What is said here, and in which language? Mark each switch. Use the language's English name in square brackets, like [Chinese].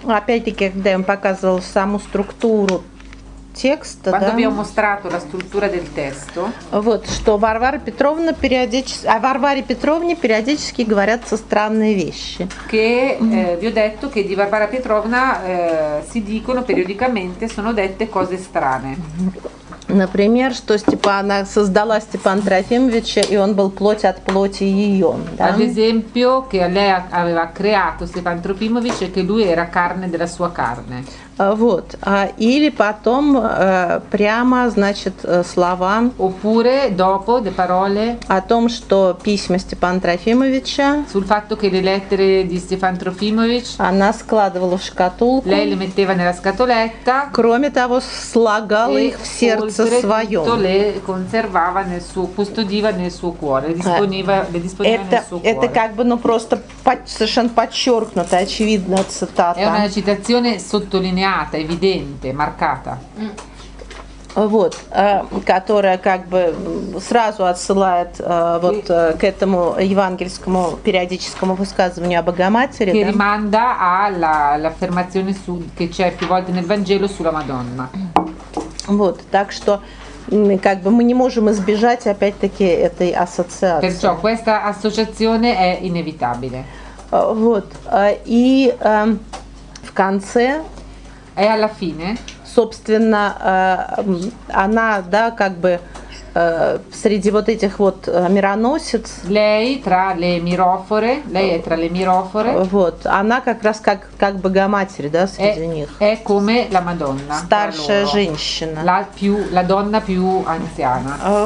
[Russian] Опять-таки, когда я вам показывала саму структуру текста. [Italian] Quando abbiamo mostrato la struttura del testo. [Russian] Вот, что Варвара Петровна периодически, о Варваре Петровне периодически говорятся странные вещи. [Italian] Che vi ho detto che di Варвара Петровна si dicono periodicamente, sono dette cose strane. [Russian] Например, что Степана создала Степан Трофимовича, и он был плоть от плоти ее. Да? [Italian] Ad esempio, che lei aveva creato Stefan Trofimovic e che lui era carne della sua carne. [Russian] Вот. Или потом прямо, значит, слова. [Italian] Oppure dopo le parole. [Russian] О том, что письма Степана Трофимовича. [Italian] Sul fatto che le lettere di Stefan Trofimovic. [Russian] Она складывала в шкатулку. [Italian] Lei le metteva nella scatoletta. [Russian] Кроме того, слагала их в сердце [Italian] oltre [Russian] своем. [Italian] Tutto le conservava nel suo, custodiva nel suo cuore, disponeva, le disponeva [Russian] это, [Italian] nel suo cuore. [Russian] Это как бы, ну просто совершенно подчеркнутая, очевидная цитата. [Italian] È una citazione sottolineata. Lineata, evidente, marcata. [Russian] Вот, которая как бы сразу отсылает вот к этому евангельскому периодическому высказыванию о Богоматери. [Italian] Che rimanda alla l'affermazione su che c'è più volte nel Vangelo sulla Madonna. [Russian] Вот, так что как бы мы не можем избежать опять-таки этой ассоциации. [Italian] Perciò questa associazione è inevitabile. [Russian] Вот, и в конце. [Italian] E alla fine, [Russian] собственно, она, да, как бы среди вот этих вот мироносец. [Italian] Lei tra le mirofore, lei è tra le mirofore. [Russian] Вот, она как раз как Богоматерь, да, среди них. [Italian] È come la Madonna. [Russian] Старшая [Italian] loro, [Russian] женщина. [Italian] La più, la donna più anziana.